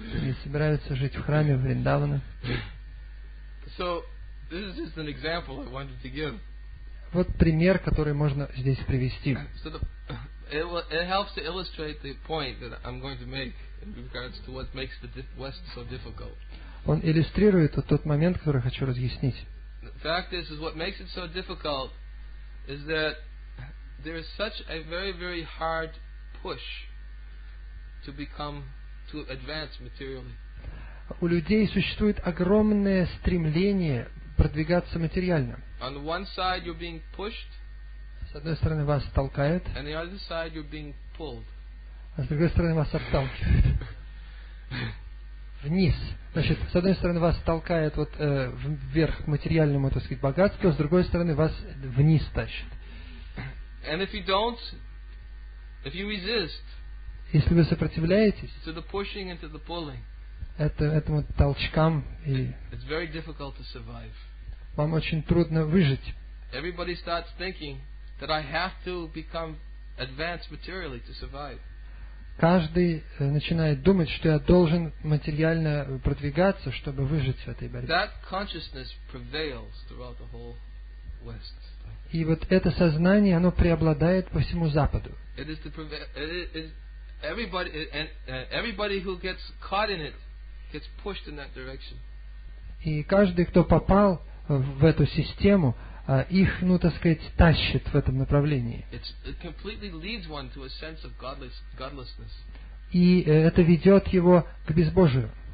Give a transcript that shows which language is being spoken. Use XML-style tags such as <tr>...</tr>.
<ru>Они собираются жить в храме Вриндавана.</ru> <en>So, this is just an example I wanted to give.</en> <ru>Вот пример, который можно здесь привести.</ru> <en>It helps to illustrate the point that I'm going to make in regards to what makes the West so difficult.</en> <ru>Он иллюстрирует тот момент, который я хочу разъяснить.</ru> <en>The fact is what makes it so difficult is that there is such a very, very hard push to advance materially.</en> <ru>У людей существует огромное стремление продвигаться материально.</ru> <en>On the one side, you're being pushed.</en> <ru>С одной стороны, вас толкают.</ru> <en>And the other side, you're being pulled.</en> <ru>А с другой стороны, вас отталкивают. Вниз. Значит, с одной стороны, вас толкает вот, вверх к материальному, так сказать, богатству, а с другой стороны, вас вниз тащит.</ru> <en>And if you don't, if you resist,</en> <ru>если вы сопротивляетесь</ru> <en>to the pushing and to the pulling,</en> <ru>этому толчкам, и</ru> <en>it's very difficult to survive.</en> <ru>Вам очень трудно выжить.</ru> <en>Everybody starts thinking that I have to become advanced materially to survive.</en> <ru>Каждый начинает думать, что я должен материально продвигаться, чтобы выжить в этой борьбе.</ru> <en>That consciousness prevails throughout the whole West.</en> <ru>И вот это сознание, оно преобладает по всему Западу.</ru> <en>It is everybody who gets caught in it gets pushed in that direction.</en> <ru>И каждый, кто попал в эту систему, их, ну, так сказать, тащит в этом направлении.</ru> <en>It completely leads one to a sense of godlessness.</en> <ru>И это ведет его к безбожию.</ru>